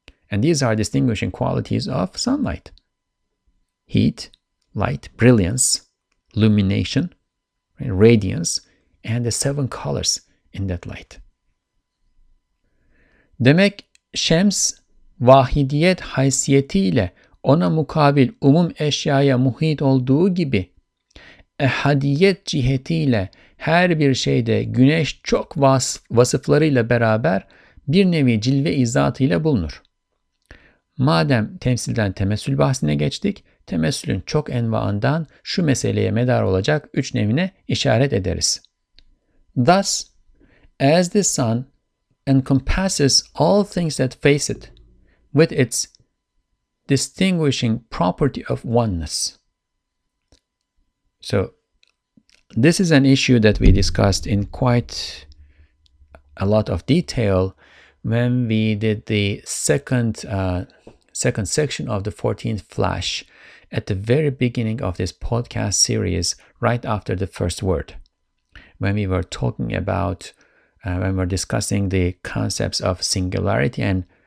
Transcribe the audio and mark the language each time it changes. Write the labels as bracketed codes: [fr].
[en] And these are distinguishing qualities of sunlight: heat, light, brilliance, illumination, radiance, and the seven colors in that light. [tr] Demek Şems vahidiyet haysiyetiyle ona mukabil umum eşyaya muhit olduğu gibi, ehadiyet cihetiyle her bir şeyde güneş çok vasıflarıyla beraber bir nevi cilve-i zatıyla bulunur. Madem temsilden temessül bahsine geçtik, temessülün çok envaından şu meseleye medar olacak üç nevine işaret ederiz. [en] Thus, as the sun encompasses all things that face it with its distinguishing property of oneness. So, this is an issue that we discussed in quite a lot of detail when we did the second section of the 14th flash at the very beginning of this podcast series, right after the first word, when we were talking about when we're discussing the concepts of singularity and